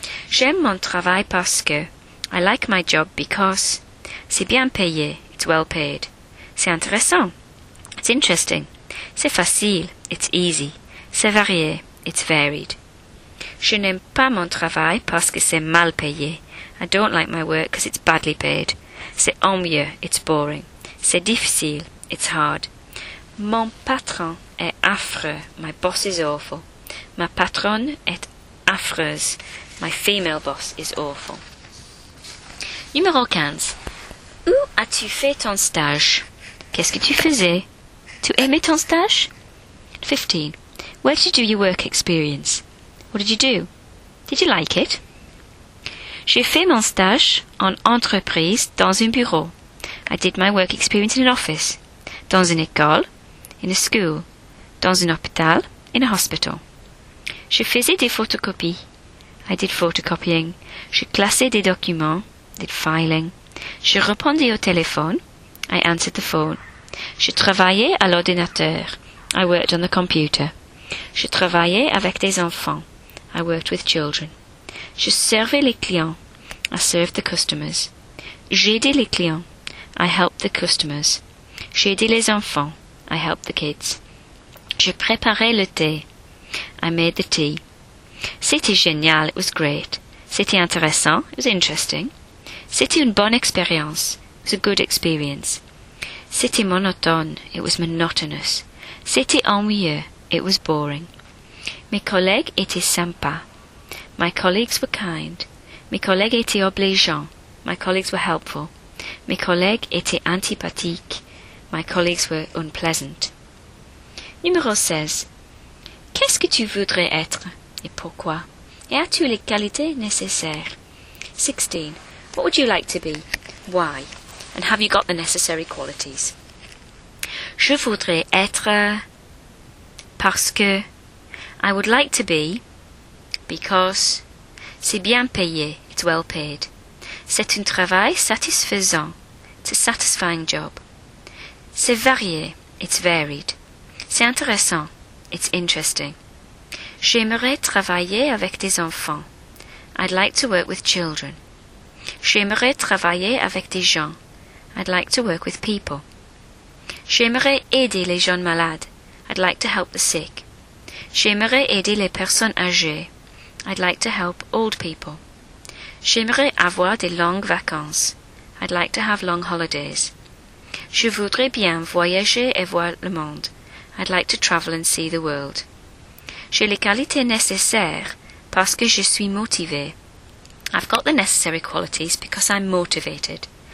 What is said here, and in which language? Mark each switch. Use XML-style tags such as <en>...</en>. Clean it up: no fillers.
<fr>J'aime mon travail parce que.</fr> <en>I like my job because.</en> <fr>C'est bien payé.</fr> <en>It's well paid.</en> <fr>C'est intéressant.</fr> <en>It's interesting.</en> <fr>C'est facile.</fr> <en>It's easy.</en> <fr>C'est varié.</fr> <en>It's varied.</en> <fr>Je n'aime pas mon travail parce que c'est mal payé.</fr> <en>I don't like my work because it's badly paid.</en> <fr>C'est ennuyeux.</fr> <en>It's boring.</en> <fr>C'est difficile.</fr> <en>It's hard.</en> <fr>Mon patron est affreux.</fr> <en>My boss is awful.</en> <fr>Ma patronne est affreuse.</fr> <en>My female boss is awful.</en> <fr>Numéro 15. Où as-tu fait ton stage? Qu'est-ce que tu faisais? Tu aimais ton stage? 15.</fr> <en>Where did you do your work experience? What did you do? Did you like it?</en> <fr>J'ai fait mon stage en entreprise dans un bureau.</fr> <en>I did my work experience in an office.</en> <fr>Dans une école,</fr> <en>in a school.</en> <fr>Dans un hôpital,</fr> <en>in a hospital.</en> <fr>Je faisais des photocopies.</fr> <en>I did photocopying.</en> <fr>Je classais des documents.</fr> <en>Did filing.</en> <fr>Je répondais au téléphone.</fr> <en>I answered the phone.</en> <fr>Je travaillais à l'ordinateur.</fr> <en>I worked on the computer.</en> <fr>Je travaillais avec des enfants.</fr> <en>I worked with children.</en> <fr>Je servais les clients.</fr> <en>I served the customers.</en> <fr>J'aidais les clients.</fr> <en>I helped the customers.</en> <fr>J'aidais les enfants.</fr> <en>I helped the kids.</en> <fr>Je préparais le thé.</fr> <en>I made the tea.</en> <fr>C'était génial.</fr> <en>It was great.</en> <fr>C'était intéressant.</fr> <en>It was interesting.</en> <fr>C'était une bonne expérience.</fr> <en>It was a good experience.</en> <fr>C'était monotone.</fr> <en>It was monotonous.</en> <fr>C'était ennuyeux.</fr> <en>It was boring.</en> <fr>Mes collègues étaient sympas.</fr> <en>My colleagues were kind.</en> <fr>Mes collègues étaient obligeants.</fr> <en>My colleagues were helpful.</en> <fr>Mes collègues étaient antipathiques.</fr> <en>My colleagues were unpleasant.</en> <fr>Numéro 16. Qu'est-ce que tu voudrais être et pourquoi? Et as-tu les qualités nécessaires? 16.</fr> <en>What would you like to be? Why? And have you got the necessary qualities?</en> <fr>Je voudrais être parce que.</fr> <en>I would like to be because.</en> <fr>C'est bien payé.</fr> <en>It's well paid.</en> <fr>C'est un travail satisfaisant.</fr> <en>It's a satisfying job.</en> <fr>C'est varié.</fr> <en>It's varied.</en> <fr>C'est intéressant.</fr> <en>It's interesting.</en> <fr>J'aimerais travailler avec des enfants.</fr> <en>I'd like to work with children.</en> <fr>J'aimerais travailler avec des gens.</fr> <en>I'd like to work with people.</en> <fr>J'aimerais aider les gens malades.</fr> <en>I'd like to help the sick.</en> <fr>J'aimerais aider les personnes âgées.</fr> <en>I'd like to help old people.</en> <fr>J'aimerais avoir des longues vacances.</fr> <en>I'd like to have long holidays.</en> <fr>Je voudrais bien voyager et voir le monde.</fr> <en>I'd like to travel and see the world.</en> <fr>J'ai les qualités nécessaires parce que je suis motivé.</fr> <en>I've got the necessary qualities because I'm motivated.</en>